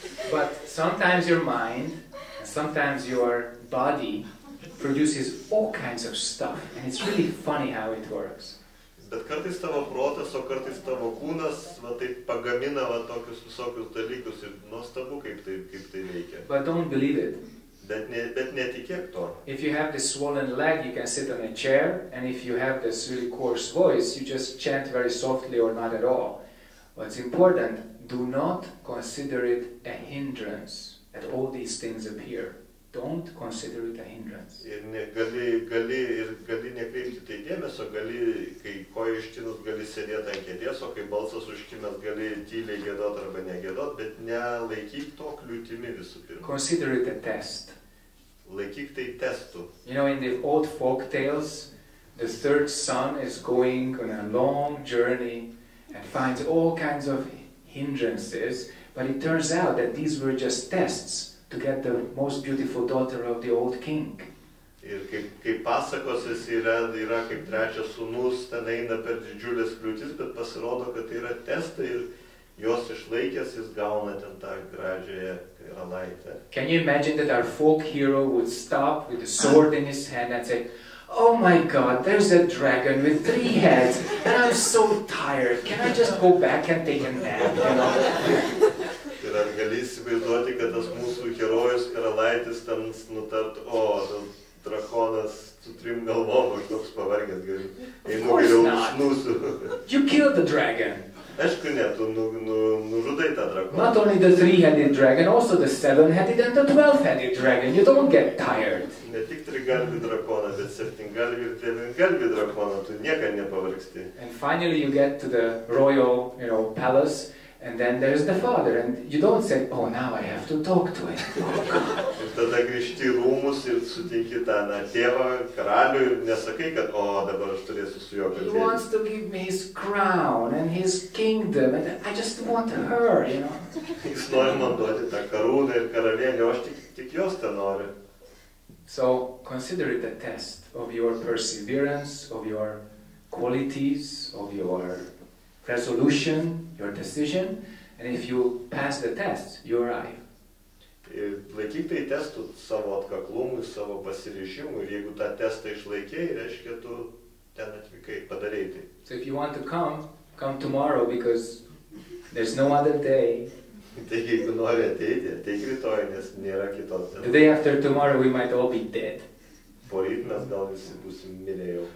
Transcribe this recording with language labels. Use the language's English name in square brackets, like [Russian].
[English] But sometimes your mind, sometimes your body produces all kinds of stuff, and it's really funny how it works. [Lithuanian] Bet kartais tavo protas, o kartais tavo kūnas va taip pagamina va tokius visokius dalykus ir nuostabu, kaip tai veikia. [English] But don't believe it. [Lithuanian] Bet netikėk to. [English] If you have this swollen leg, you can sit on a chair, and if you have this really coarse voice, you just chant very softly or not at all. What's important, do not consider it a hindrance that all these things appear. Don't consider it a hindrance. [Lithuanian] Ir gali nekreipti tai dėmesio, gali, kai koja ištinus, gali sėdėti ant kėdės, o kai balsas užkimęs, gali tyliai gėdot arba negėdot, bet nelaikyk to kliūtimi visų pirma. [English] Consider it a test. [Lithuanian] Laikyk tai testu. [English] You know, in the old folk tales, the third son is going on a long journey and finds all kinds of hindrances, but it turns out that these were just tests to get the most beautiful daughter of the old king. [Lithuanian] Ir kaip pasakos jis yra kaip trečias sunus, ten eina per didžiulės kliūtis, bet pasirodo, kad tai yra testai ir jos išlaikęs jis gauna ten tą gražiąją karalaitę. [English] Can you imagine that our folk hero would stop with a sword in his hand and say, oh my god, there's a dragon with three heads and I'm so tired, can I just go back and take a nap, you know? [Lithuanian] Ir ar gali įsivaizduoti, kad tas mūsų herojus karalaitis ten nutart, o, tam drakonas su trim galvom, aš toks pavargęs, gerai, einu geriau užsnūsiu. [English] You killed the dragon. [Lithuanian] Aišku, ne, tu nužudai tą drakoną. [English] Not only the three-headed dragon, also the seven-headed and the twelve-headed dragon. You don't get tired. [Lithuanian] Ne tik trigalvį drakoną, bet septingalvį ir devingalvį drakoną, tu niekad nepavargsti. [English] And finally you get to the royal, you know, palace. And then there is the father, and you don't say, oh, now I have to talk to him. [Lithuanian] Ir tada grįžti į rūmus ir sutinki tą tėvą, karalių, ir nesakai, kad, o, dabar aš turėsiu su juo kalbėti. [English] He wants to give me his crown and his kingdom, and I just want her, you know. [Lithuanian] Jis nori man duoti tą karūną ir karalienę, o aš tik jos ten noriu. [English] So, consider it a test of your perseverance, of your qualities, of your resolution, your decision, and if you pass the test, you arrive. [Lithuanian] Laikyk tai testu savo atkaklumui, savo pasiryžimui, ir jeigu tą testą išlaikiai, reiškia, tu ten atvykai, padarei tai. [English] So if you want to come, come tomorrow, because there's no other day. [Lithuanian] Taigi, jeigu nori ateiti, ateik rytoj, nes nėra kitos dienos. [English] The day after tomorrow, we might all be dead. [Lithuanian] Poryt mes gal visi būsim mirę jau.